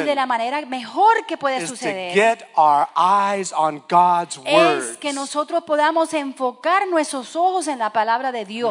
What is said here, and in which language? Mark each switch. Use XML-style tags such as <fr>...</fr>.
<es>y de la manera mejor que puede suceder</es> <en>is to get our eyes on God's words.</en> <es>Es que nosotros podamos enfocar nuestros ojos en la palabra de Dios.</es>